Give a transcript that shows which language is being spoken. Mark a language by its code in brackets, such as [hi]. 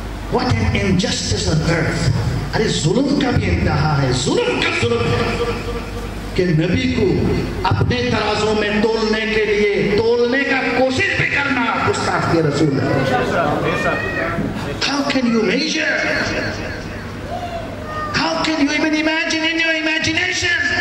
[en] What an injustice on earth. [ur] ارے ظلم کا بھی انتہا ہے, ظلم کا ظلم ہے کہ نبی کو اپنے ترازوں میں تولنے کے لیے تولنے کا کوشش بھی کرنا گستاخ کے رسول. [en] How can you measure? How can you even imagine in your imagination?